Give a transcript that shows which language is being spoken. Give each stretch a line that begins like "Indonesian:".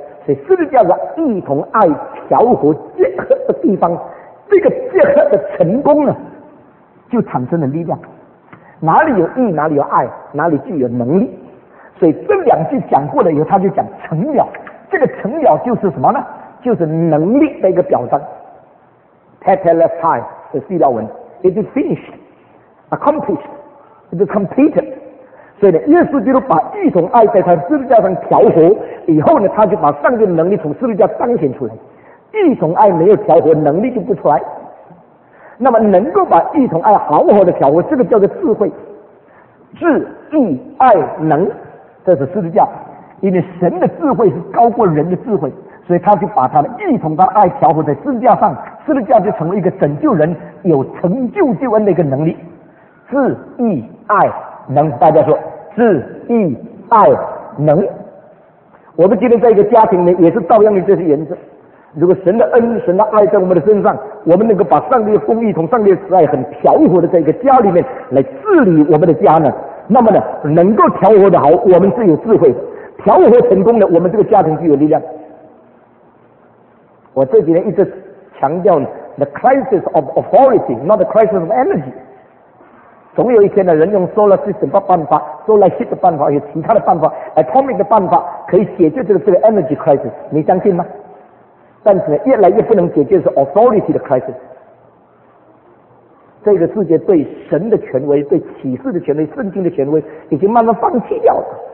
Chinese: 所以十字架上义同爱调和结合的地方，这个结合的成功呢，就产生了力量。哪里有义，哪里有爱，哪里具有能力。所以这两句讲过了以后，他就讲成了。这个成了就是什么呢？就是能力的一个表彰。
English: Tetelestai
Chinese: 是希腊文，
English: It is finished, accomplished, It is completed。
Chinese: 所以呢，耶稣基督把义同爱在他十字架上调和以后呢，他就把上帝的能力从十字架彰显出来。义同爱没有调和，能力就不出来。那么能够把义同爱好好的调和，这个叫做智慧，智、义、爱、能，这是十字架。因为神的智慧是高过人的智慧，所以他就把他的义同他的爱调和在十字架上，十字架就成了一个拯救人有成就救恩的一个能力。智、义、爱、能，大家说智、义、爱、能。我们今天在一个家庭里也是照样的这些原则。如果神的恩、神的爱在我们的身上，我们能够把上帝的公义同上帝的慈爱很调和的在一个家里面来治理我们的家呢，那么呢，能够调和的好，我们是有智慧的，调和成功的，我们这个家庭就有力量。我这几年一直强调
English: the crisis of authority, not the crisis of energy。
Chinese: 总有一天呢，人用 solar system 的办法， solar heat 的办法，有其他的办法， atomic 的办法，可以解决这个 energy crisis, 你相信吗？但是越来越不能解决是 authority 的 crisis。这个世界对神的权威、对启示的权威、圣经的权威已经慢慢放弃掉了。